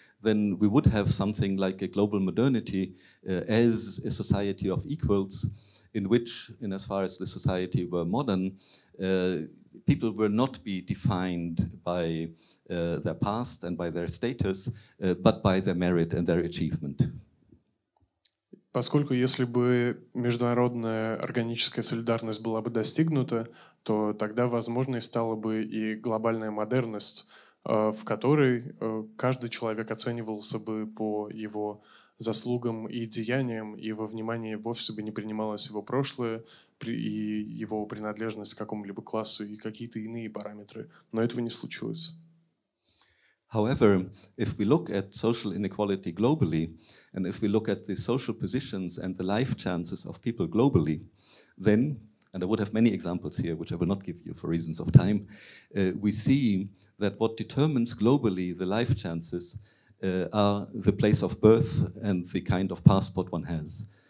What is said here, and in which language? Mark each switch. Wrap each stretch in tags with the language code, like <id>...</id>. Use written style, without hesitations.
<en>then we would have something like a global modernity as a society of equals, in which, in as far as the society were modern, people will not be defined by their past and by their status, but by their merit and their achievement.</en> <ru>Поскольку если бы международная органическая солидарность была бы достигнута, то тогда возможной стала бы и глобальная модерность, в которой каждый человек оценивался бы по его заслугам и деяниям, и во внимание вовсе бы не принималось его прошлое и его принадлежность к какому-либо классу и какие-то иные параметры. Но этого не случилось.</ru> <en>However, if we look at social inequality globally, and if we look at the social positions and the life chances of people globally, then, and I would have many examples here, which I will not give you for reasons of time, we see that what determines globally the life chances are the place of birth and the kind of passport one has.</en>